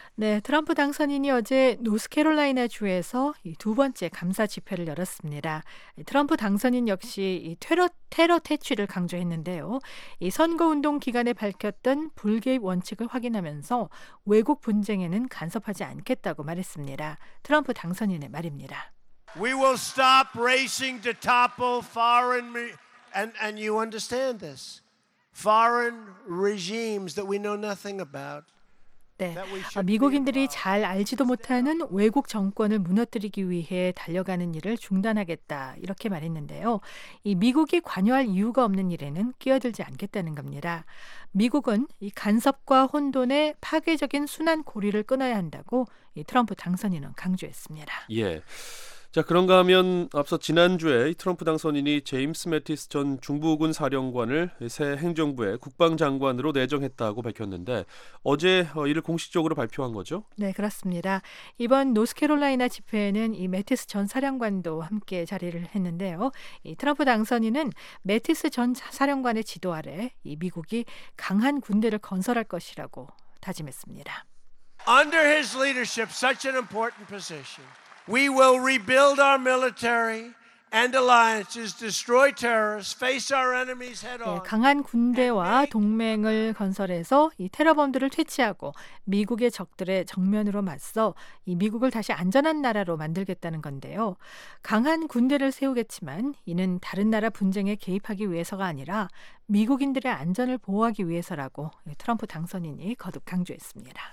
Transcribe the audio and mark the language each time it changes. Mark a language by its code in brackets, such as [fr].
[ko] 네, 트럼프 당선인이 어제 노스캐롤라이나 주에서 두 번째 감사 집회를 열었습니다. 트럼프 당선인 역시 테러 퇴치를 강조했는데요. 이 선거운동 기간에 밝혔던 불개입 원칙을 확인하면서 외국 분쟁에는 간섭하지 않겠다고 말했습니다. 트럼프 당선인의 말입니다. [en] We will stop racing to topple foreign and you understand this. Foreign regimes that we know nothing about. [ko] 네. 미국인들이 잘 알지도 못하는 외국 정권을 무너뜨리기 위해 달려가는 일을 중단하겠다. 이렇게 말했는데요. 이 미국이 관여할 이유가 없는 일에는 끼어들지 않겠다는 겁니다. 미국은 이 간섭과 혼돈의 파괴적인 순환 고리를 끊어야 한다고 이 트럼프 당선인은 강조했습니다. 예. 자, 그런가 하면 앞서 지난주에 트럼프 당선인이 제임스 매티스 전 중부군 사령관을 새 행정부의 국방장관으로 내정했다고 밝혔는데 어제 이를 공식적으로 발표한 거죠? 네, 그렇습니다. 이번 노스캐롤라이나 집회에는 이 매티스 전 사령관도 함께 자리를 했는데요. 이 트럼프 당선인은 매티스 전 사령관의 지도 아래 이 미국이 강한 군대를 건설할 것이라고 다짐했습니다. [en] Under his leadership, such an important position. We will rebuild our military and alliances, destroy terrorists, face our enemies head on. [ko] 강한 군대와 동맹을 건설해서 이 테러범들을 퇴치하고 미국의 적들의 정면으로 맞서 이 미국을 다시 안전한 나라로 만들겠다는 건데요. 강한 군대를 세우겠지만 이는 다른 나라 분쟁에 개입하기 위해서가 아니라 미국인들의 안전을 보호하기 위해서라고 트럼프 당선인이 거듭 강조했습니다.